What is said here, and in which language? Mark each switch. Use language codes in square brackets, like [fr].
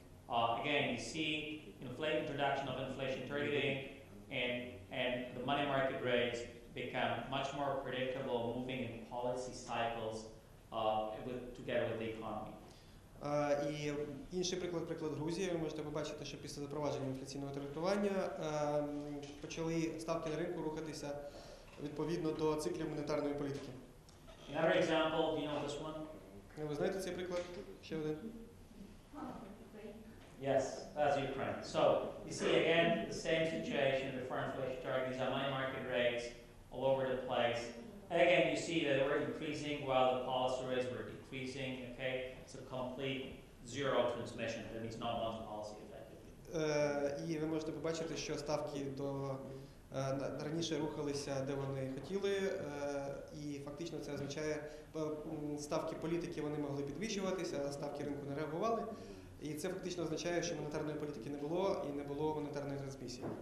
[en] Again, you see introduction of inflation targeting and the money market rates become much more predictable moving in policy cycles together with the economy. [uk] І інший приклад Грузії, ви можете побачити, що після запровадження інфляційного таргетування почали ставки на ринку рухатися відповідно до циклів монетарної політики. [en] Another example, do you know this one? [uk] Ви знаєте цей приклад? Ще один? [en] Yes, that's Ukraine. So, you see again the same situation before inflation targets are money market rates all over the place. And again, you see that they were increasing while the policy rates were decreasing, okay? It's a complete zero transmission, that means not much policy effectively. [uk] І ви можете побачити, що ставки до раніше рухалися, де вони хотіли, і фактично це означає, ставки політики вони могли підвищуватися, а ставки ринку не реагували. І це фактично означає, що монетарної політики не було і не було монетарної трансмісії.